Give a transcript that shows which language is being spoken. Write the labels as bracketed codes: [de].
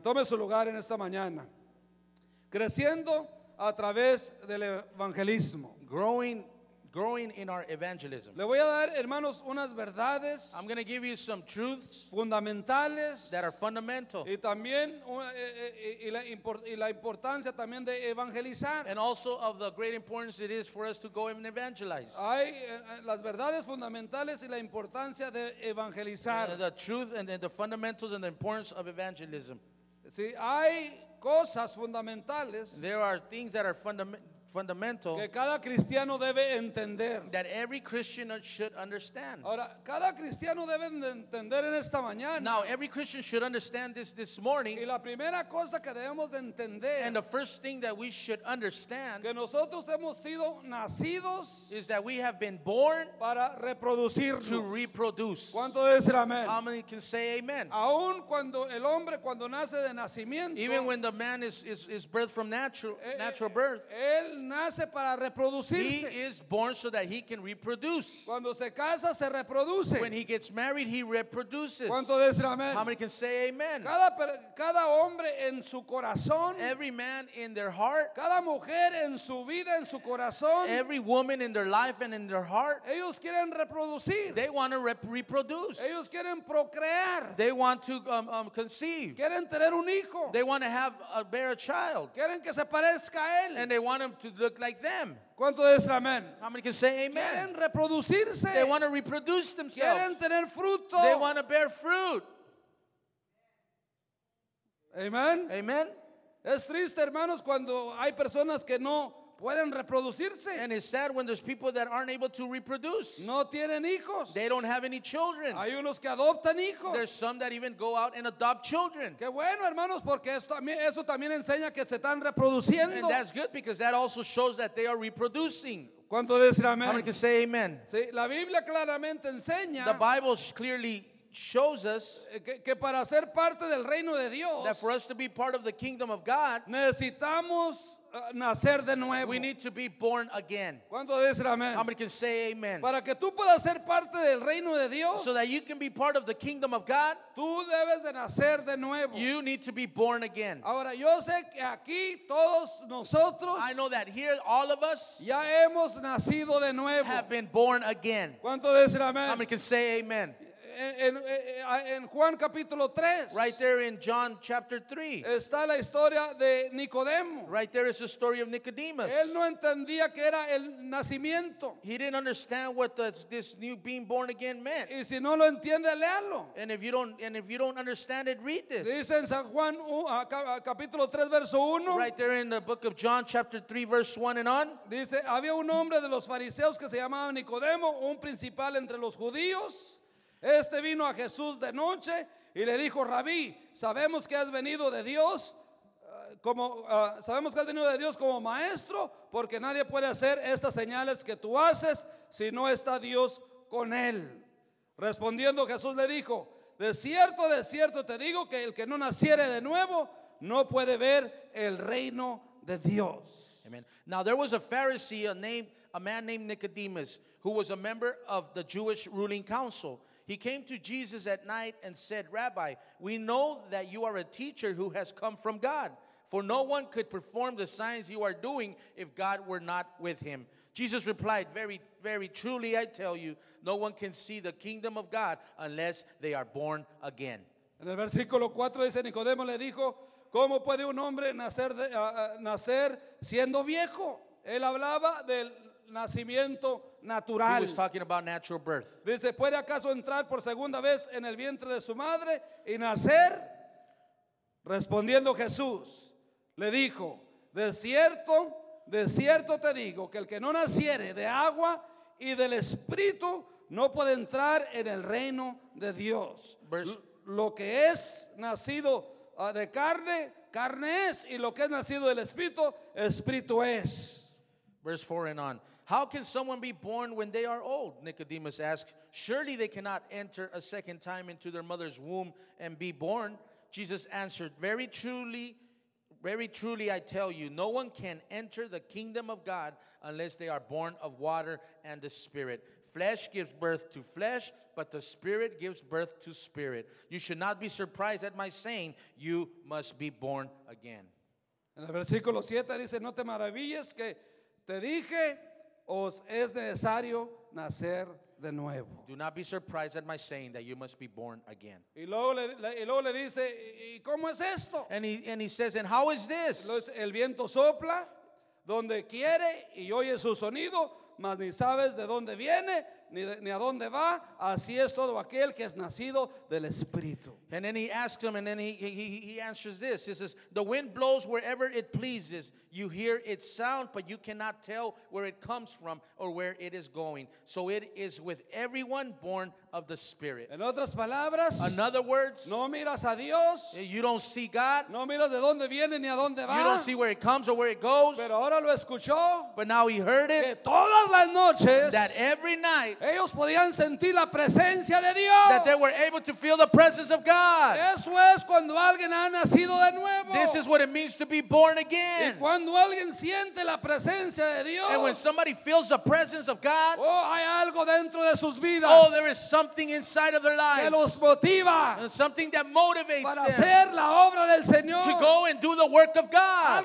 [es] Tome su lugar en esta mañana. Creciendo a través del evangelismo. [en] Growing in our evangelism. [es] Le voy a dar, hermanos, unas verdades. [en] I'm going to give you some truths. [es] Fundamentales. [en] That are fundamental. [es] Y también y la importancia también de evangelizar. [en] And also of the great importance it is for us to go and evangelize. [es] Hay las verdades fundamentales y la importancia de evangelizar. [en] The truth and the fundamentals and the importance of evangelism. [es] Sí, hay cosas fundamentales. [en] There are things that are fundamental [es] que cada cristiano debe entender. [en] That every Christian should understand. [es] Ahora, cada cristiano debe entender en esta mañana. [en] Now, every Christian should understand this morning. [es] Y la primera cosa que debemos de entender, [en] and the first thing that we should understand, [es] que nosotros hemos sido nacidos, [en] is that we have been born [es] para reproducirnos. [en] To reproduce. [es] ¿Cuánto debe decir amén? [en] How many can say amen? [es] Aún cuando el hombre, cuando nace de nacimiento, [en] even when the man is birthed from natural birth, [es] él nace para reproducirse. [en] He is born so that he can reproduce. [es] Cuando se casa, se reproduce. [en] When he gets married, he reproduces. [es] ¿Cuánto dicen amén? [en] How many can say amen? [es] Cada hombre en su corazón. [en] Every man in their heart. [es] Cada mujer en su vida, en su corazón. [en] Every woman in their life and in their heart. [es] Ellos quieren reproducir. [en] They want to reproduce. [es] Ellos quieren procrear. [en] They want to conceive. [es] Quieren tener un hijo. [en] They want to have a bear a child. [es] Quieren que se parezca a él. [en] And they want them to look like them. [es] ¿Cuánto dicen amén? [en] How many can say amen? [es] Quieren reproducirse. [en] They want to reproduce themselves. [es] Quieren tener fruto. [en] They want to bear fruit. [es] Amen. [en] Amen. [es] Es triste, hermanos, cuando hay personas que no pueden reproducirse. [en] And it's sad when there's people that aren't able to reproduce. [es] No tienen hijos. [en] They don't have any children. [es] Hay unos que adoptan hijos. [en] There's some that even go out and adopt children. [es] Qué bueno, hermanos, porque eso también enseña que se están reproduciendo. [en] And that's good because that also shows that they are reproducing. [es] ¿Cuánto dicen amén? [en] How many can say amen? [es] Sí, la Biblia claramente enseña. [en] The Bible clearly shows us [es] que para ser parte del reino de Dios, [en] that for us to be part of the kingdom of God, [es] necesitamos nacer de nuevo. [en] We need to be born again. [es] ¿Cuánto dicen amén? [en] How many can say amen? [es] Para que tú puedas ser parte del reino de Dios, [en] so that you can be part of the kingdom of God, [es] tú debes de nacer de nuevo. [en] You need to be born again. [es] Ahora, yo sé que aquí todos nosotros, [en] I know that here all of us, [es] ya hemos nacido de nuevo, [en] have been born again. [es] ¿Cuánto dicen amén? [en] How many can say amen? [es] En Juan capítulo 3, [en] right there in John chapter 3, [es] está la historia de Nicodemo. [en] Right there is the story of Nicodemus. [es] Él no entendía que era el nacimiento. [en] He didn't understand what this new being born again meant. [es] Y si no lo entiende, léalo. [en] And if you don't understand it, read this. [es] Dice en San Juan capítulo 3 verso 1, [en] right there in the book of John chapter 3 verse 1 and on, [es] dice: había un hombre de los fariseos que se llamaba Nicodemo, un principal entre los judíos. Este vino a Jesús de noche y le dijo: Rabí, sabemos que has venido de Dios como maestro, porque nadie puede hacer estas señales que tú haces si no está Dios con él. Respondiendo Jesús le dijo: de cierto te digo que el que no naciere de nuevo no puede ver el reino de Dios. [en] Amen. Now there was a Pharisee, a man named Nicodemus, who was a member of the Jewish ruling council. He came to Jesus at night and said, Rabbi, we know that you are a teacher who has come from God, for no one could perform the signs you are doing if God were not with him. Jesus replied, "Very, very truly I tell you, no one can see the kingdom of God unless they are born again." [es] En el versículo 4 dice, Nicodemo le dijo, ¿cómo puede un hombre nacer, nacer siendo viejo? Él hablaba del nacimiento natural. [en] He was talking about natural birth. [es] Dice, ¿puede acaso entrar por segunda vez en el vientre de su madre y nacer? Respondiendo Jesús, le dijo, de cierto te digo, que el que no naciere de agua y del espíritu no puede entrar en el reino de Dios. Lo que es nacido de carne, carne es, y lo que es nacido del espíritu, espíritu es. [en] Verse 4 and on. How can someone be born when they are old? Nicodemus asked. Surely they cannot enter a second time into their mother's womb and be born. Jesus answered, very truly I tell you, no one can enter the kingdom of God unless they are born of water and the Spirit. Flesh gives birth to flesh, but the Spirit gives birth to spirit. You should not be surprised at my saying, you must be born again. [es] En el versículo 7 dice, no te maravilles que te dije, os es necesario nacer de nuevo. [en] Do not be surprised at my saying that you must be born again. [es] Y luego le dice, ¿y cómo es esto? [en] And he says, and how is this? [es] El viento sopla donde quiere y oye su sonido, mas ni sabes de dónde viene ni a dónde va. Así es todo aquel que es nacido del Espíritu. [en] And then he asks him, and then he answers this. He says, the wind blows wherever it pleases. You hear its sound, but you cannot tell where it comes from or where it is going. So it is with everyone born of the Spirit. [es] En otras palabras, [en] in other words, [es] no miras a Dios, [en] you don't see God. [es] No miras de dónde viene ni a dónde va. [en] You don't see where it comes or where it goes. [es] Pero ahora lo escuchó, [en] but now he heard it. [es] Que todas las noches, [en] that every night, [es] ellos podían sentir la presencia de Dios. [en] That they were able to feel the presence of God. [es] Eso es cuando alguien ha nacido de nuevo. [en] This is what it means to be born again. [es] Cuando alguien siente la presencia de Dios, [en] and when somebody feels the presence of God, [es] oh, hay algo dentro de sus vidas, [en] oh, there is something inside of their lives [es] que los motiva, [en] and something that motivates [es] para [en] them [es] hacer la obra del Señor, [en] to go and do the work of God.